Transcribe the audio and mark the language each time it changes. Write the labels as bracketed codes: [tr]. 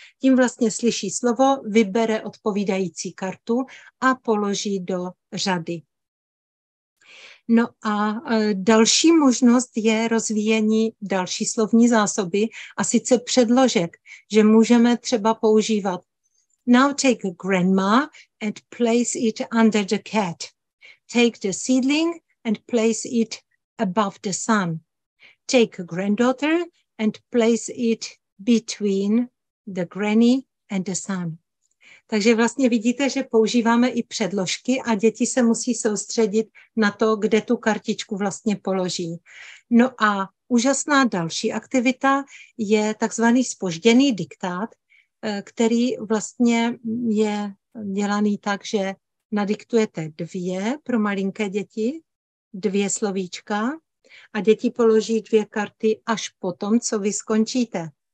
[cs] Tím vlastně slyší slovo, vybere odpovídající kartu a položí do řady. No a další možnost je rozvíjení další slovní zásoby a sice předložek, že můžeme třeba používat [en] Now take grandma and place it under the cat. Take the seedling and place it above the sun. Take granddaughter and place it between the granny and the sun. [cs] Takže vlastně vidíte, že používáme i předložky a děti se musí soustředit na to, kde tu kartičku vlastně položí. No a úžasná další aktivita je takzvaný spožděný diktát, který vlastně je dělaný tak, že nadiktujete dvě pro malinké děti, dvě slovíčka a děti položí dvě karty až potom, co vy skončíte.